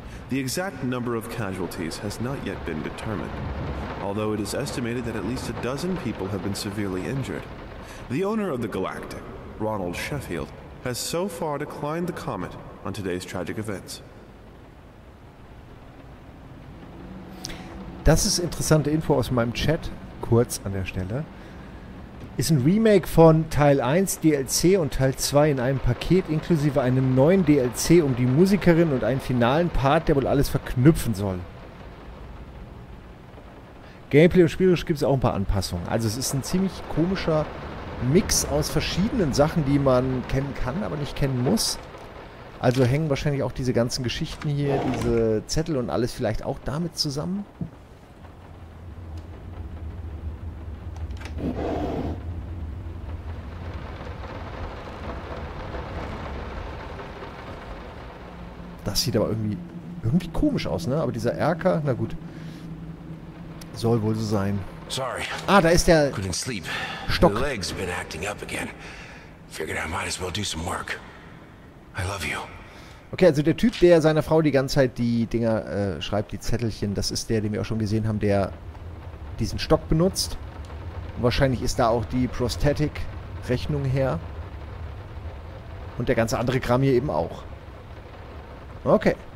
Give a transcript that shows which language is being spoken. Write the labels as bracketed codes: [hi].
[en] The exact number of casualties has not yet been determined, although it is estimated that at least a dozen people have been severely injured. The owner of the Galactic, Ronald Sheffield, has so far declined to comment on today's tragic events. [de] Das ist interessante Info aus meinem Chat, kurz an der Stelle. Ist ein Remake von Teil 1 DLC und Teil 2 in einem Paket inklusive einem neuen DLC um die Musikerin und einen finalen Part, der wohl alles verknüpfen soll. Gameplay und spielerisch gibt es auch ein paar Anpassungen. Also es ist ein ziemlich komischer Mix aus verschiedenen Sachen, die man kennen kann, aber nicht kennen muss. Also hängen wahrscheinlich auch diese ganzen Geschichten hier, diese Zettel und alles vielleicht auch damit zusammen. Das sieht aber irgendwie komisch aus, ne? Aber dieser Erker, na gut. Soll wohl so sein. Sorry. Ah, da ist der [en] couldn't sleep. [de] Stock. [en] The legs have been acting up again. Figured I might as well do some work. I love you. [de] Okay, also der Typ, der seiner Frau die ganze Zeit die Dinger schreibt, die Zettelchen, das ist der, den wir auch schon gesehen haben, der diesen Stock benutzt. Und wahrscheinlich ist da auch die Prosthetic-Rechnung her. Und der ganze andere Kram hier eben auch. Okay.